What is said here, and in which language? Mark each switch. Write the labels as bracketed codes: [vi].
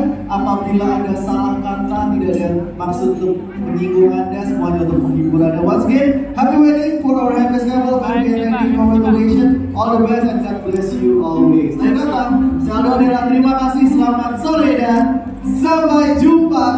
[id] Apabila ada salah kata, tidak ada maksud untuk menyinggung Anda, semuanya untuk menghibur Anda. [en] Once again, happy wedding for our happiest couple. Happy wedding, congratulations. All the best and God bless you always. [id] Terima kasih, selamat sore dan sampai jumpa.